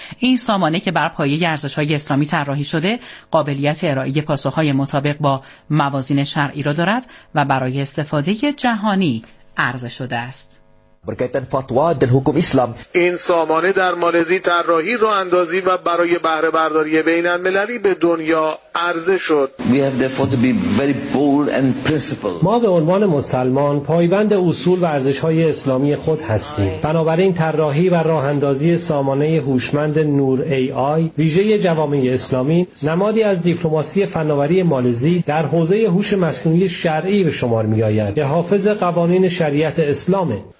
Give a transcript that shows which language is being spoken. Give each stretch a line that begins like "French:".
Persian: این سامانه که بر پایه ارزش‌های اسلامی طراحی شده، قابلیت ارائه پاسخ‌های مطابق با موازین شرعی را دارد و برای استفاده جهانی عرضه شده است. برگتن فتوا دل حکم اسلام. این سامانه در مالزی طراحی رو اندازی و برای بهره برداری بین المللی به دنیا عرضه شد.
English: We have therefore to be very bold and principled.
Persian: ما به عنوان مسلمان پایبند اصول و ارزش‌های اسلامی خود هستیم. بنابراین طراحی و راه اندازی سامانه هوشمند نور ای آی ویژه جوامع اسلامی، نمادی از دیپلماسی فناوری مالزی در حوزه هوش مصنوعی شرعی به شمار می‌آید که حافظ قوانین شریعت اسلامه.